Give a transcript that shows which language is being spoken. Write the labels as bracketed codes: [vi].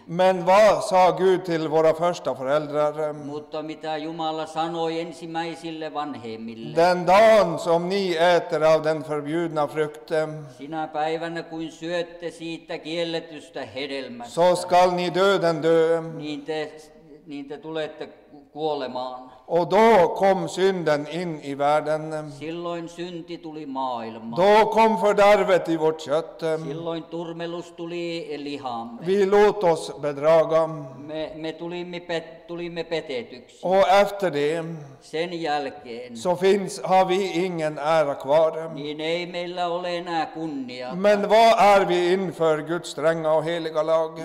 [sv] Men vad sa Gud till våra första föräldrar? [fi] Mutta mitä Jumala sanoi ensimmäisille vanhemmille? [sv] Den dagen som ni äter av den förbjudna frukten, [fi] sinä päivänä kun syötte siitä kielletystä hedelmästä, [sv] så skall ni dö den dö. [fi] Niin te tulette kuolemaan. [sv] Och då kom synden in i världen. [fi] Silloin synti tuli maailmaan. [sv] Då kom fördärvet i vårt kött. [fi] Silloin turmelus tuli lihamme. [sv] Vi lät oss bedraga. [fi] Me tulimme petetyksi. [sv] Och efter det. [fi] Sen jälkeen. [sv] Så har vi ingen ära kvar. [fi] Niin ei meillä ole enää kunnia. [sv] Men vad är vi inför Guds stränga och heliga lag?